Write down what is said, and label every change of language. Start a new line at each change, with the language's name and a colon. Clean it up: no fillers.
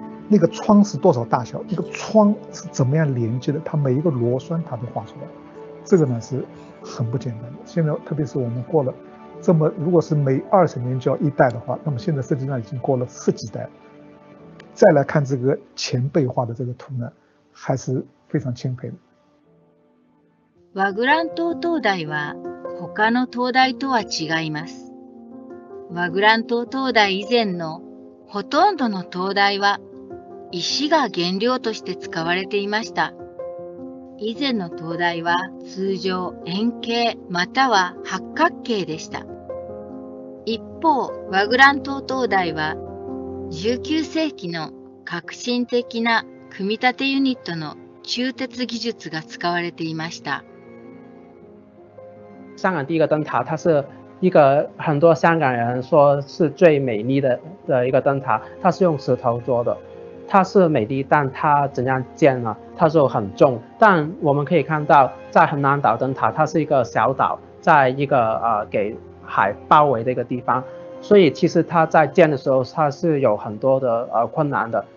Chinese: 那个窗是多少大小，那个窗是怎么样连接的，它每一个螺栓它都画出来，这个呢是很不简单的。现在特别是我们过了这么，如果是每20年就要一代的话，那么现在设计上已经过了10几代，再来看这个前辈画的这个图呢，还是非常钦佩的。
Japanese: ワグラント灯台は他の灯台とは違います。ワグラント灯台以前のほとんどの灯台は石が原料として使われていました。以前の灯台は通常円形または八角形でした。一方、ワグラント灯台は19世紀の革新的な組み立てユニットの鋳鉄技術が使われていました。
Chinese: 香港第一个灯塔，它是一个很多香港人说是最美丽 的一个灯塔，它是用石头做的。它是美丽，但它怎样建呢？它就很重。但我们可以看到，在恒南岛灯塔，它是一个小岛，在一个给海包围的一个地方，所以其实它在建的时候，它是有很多的困难的。